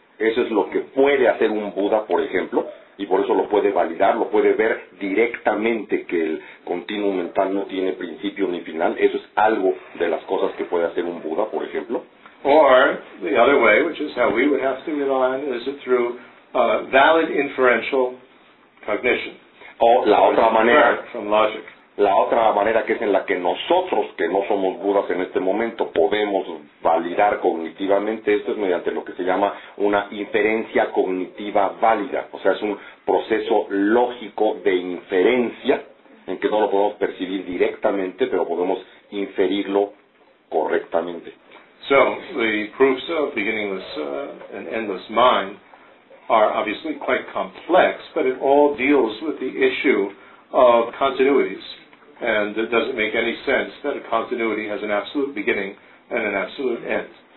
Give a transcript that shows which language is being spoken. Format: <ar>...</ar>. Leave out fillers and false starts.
<es>Eso es lo que puede hacer un Buda, por ejemplo, y por eso lo puede validar, lo puede ver directamente que el continuo mental no tiene principio ni final. Eso es algo de las cosas que puede hacer un Buda, por ejemplo.</es> <en>Or the other way, which is how we would have to rely on, is it through valid inferential cognition.</en> <es>O la otra manera que es en la que nosotros, que no somos Budas en este momento, podemos validar cognitivamente esto es mediante lo que se llama una inferencia cognitiva válida. O sea, es un proceso lógico de inferencia en que no lo podemos percibir directamente, pero podemos inferirlo correctamente.</es> <en>So, the proofs of beginningless and endless mind are obviously quite complex, but it all deals with the issue of continuities. And it doesn't make any sense that a continuity has an absolute beginning and an absolute end.</en>